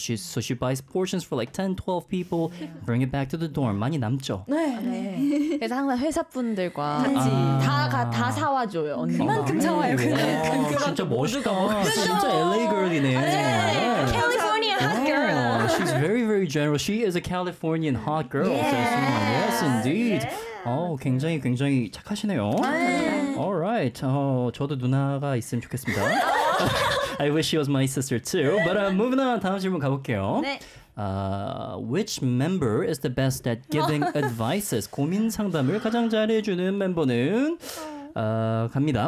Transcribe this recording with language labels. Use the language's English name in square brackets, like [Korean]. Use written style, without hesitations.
[English] So she buys portions for like 10, 12 people, bring it back to the dorm. [Korean] 많이 남죠? 네. 그래서 항상 회사분들과 다 사와줘요. 이만큼 사와요. 진짜 멋있다. 진짜 LA girl이네. [English] California hot girl. She's very, very general. She is a Californian hot girl. Yeah. Yes, indeed. Yeah. [Korean] 굉장히, 굉장히 착하시네요. [English] All right. [Korean] 저도 누나가 있으면 좋겠습니다. [English] I wish she was my sister too. But moving on, [Korean] 다음 질문 가볼게요. 네. [English] Which member is the best at giving advices? [Korean] 고민 상담을 가장 잘해주는 멤버는 갑니다.